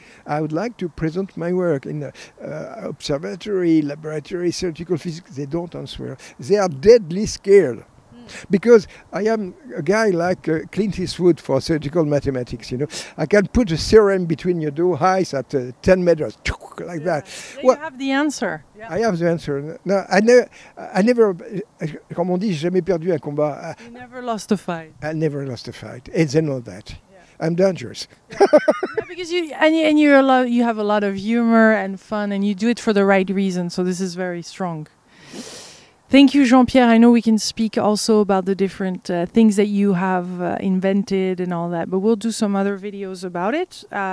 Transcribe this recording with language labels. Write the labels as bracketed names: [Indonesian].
[English] I would like to present my work in observatory, laboratory, theoretical physics. They don't answer. They are deadly scared. Because I am a guy like Clint Eastwood for theoretical mathematics, you know. I can put a theorem between your two eyes at 10 meters, like that. Well, you have the answer. Yeah. I have the answer. No, I never, [French] comme on dit, jamais perdu un combat. [English] You never lost a fight. I never lost a fight. And they know that. I'm dangerous. Yeah, because you have a lot of humor and fun, and you do it for the right reason. So this is very strong. Thank you, Jean-Pierre. I know we can speak also about the different things that you have invented and all that, but we'll do some other videos about it.